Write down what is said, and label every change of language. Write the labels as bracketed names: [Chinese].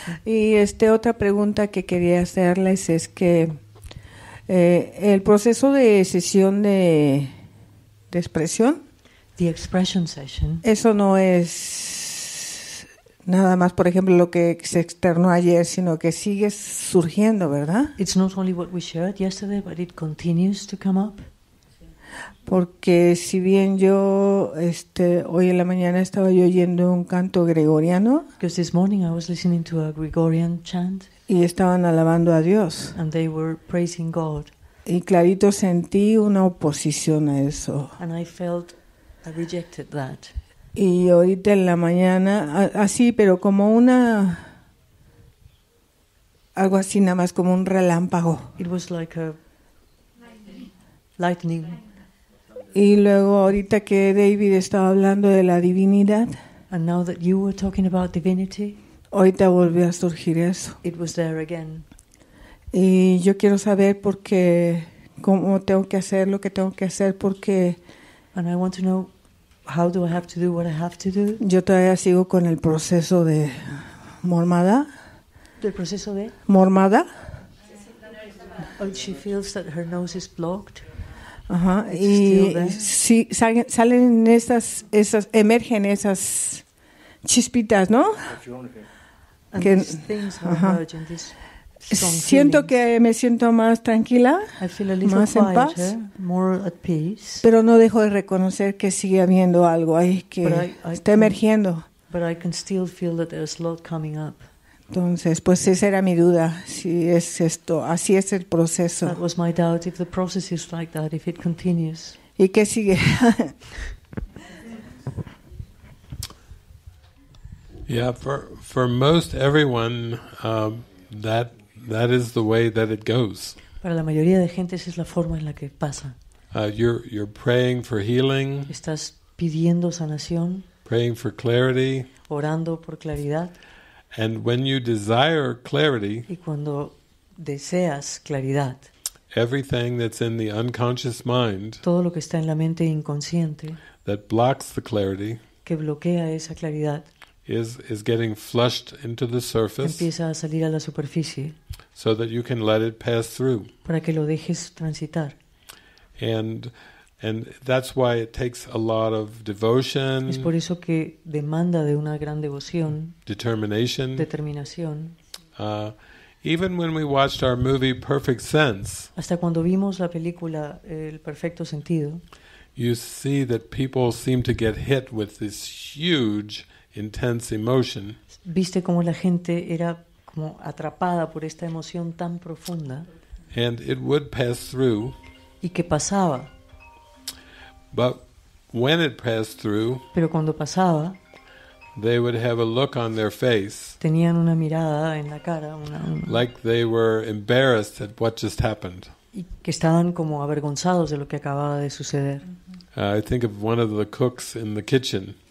[Spanish] Y otra pregunta que quería hacerles es que el proceso de sesión de expresión. [English] The expression session. [Spanish] Eso no es nada más, por ejemplo, lo que se externó ayer, sino que sigue surgiendo, ¿verdad? [English] It's not only what we shared yesterday, but it continues to come up. [Spanish] Porque si bien yo hoy en la mañana estaba yo oyendo un canto gregoriano, [English] because this morning I was listening to a Gregorian chant, [Spanish] Y estaban alabando a Dios. [English] And they were praising God. [Spanish] Y clarito sentí una oposición a eso. [English] And I felt I rejected that. [Spanish] Y ahorita en la mañana, así, pero como una... Algo así, nada más como un relámpago. [English] It was like a lightning. [Spanish] Y luego ahorita que David estaba hablando de la divinidad. [English] And now that you were talking about divinity. [Spanish] Ahorita volvió a surgir eso. [English] It was there again. [Spanish] Y yo quiero saber por qué, cómo tengo que hacer lo que tengo que hacer, porque... [English] And I want to know how do I have to do what I have to do. [Spanish] Yo todavía sigo con el proceso de mormada. El proceso de mormada. [English] Oh, she feels that her nose is blocked. [Spanish] Ajá. Y sí, salen esas emergen esas chispitas, ¿no? Que, [English] things [Spanish] ajá. Siento [English] feelings. [Spanish] Que me siento más tranquila, [English] I feel a little [Spanish] más [English] quieter, [Spanish] en paz, [English] more at peace. [Spanish] Pero no dejo de reconocer que sigue habiendo algo ahí que está emergiendo. [English] But I can still feel that there's a lot coming up. [Spanish] Entonces, pues esa era mi duda, si es esto, así es el proceso. [English] That was my doubt, if the process is like that, if it continues. [Spanish] ¿Y qué sigue? [English] Yeah, for most everyone, that is the way that it goes. [Spanish] Para la mayoría de gente esa es la forma en la que pasa. [English] You're praying for healing. [Spanish] Estás pidiendo sanación. [English] Praying for clarity. [Spanish] Orando por claridad. [English] And when you desire clarity, [Spanish] y cuando deseas claridad, [English] everything that's in the unconscious mind, [Spanish] todo lo que está en la mente inconsciente, [English] that blocks the clarity, [Spanish] que bloquea esa claridad, [English] is getting flushed into the surface, [Spanish] empieza a salir a la superficie, [English] so that you can let it pass through, [Spanish] para que lo dejes transitar. [English] And that's why it takes a lot of devotion. [Spanish] Es por eso que demanda de una gran devoción. [English] Determination. [Spanish] Determinación. [English] Even when we watched our movie Perfect Sense. [Spanish] Hasta cuando vimos la película El Perfecto Sentido. [English] You see that people seem to get hit with this huge, intense emotion. [Spanish] Viste cómo la gente era como atrapada por esta emoción tan profunda. [English] And it would pass through. [Spanish] Y que pasaba. [English] But when it passed through, [Spanish] pero cuando pasaba, [English] they would have a look on their face, [Spanish] tenían una mirada en la cara, una, [English] like they were embarrassed at what just happened. [Spanish] Y que estaban como avergonzados de lo que acababa de suceder. [English] I think of one of the cooks in the kitchen.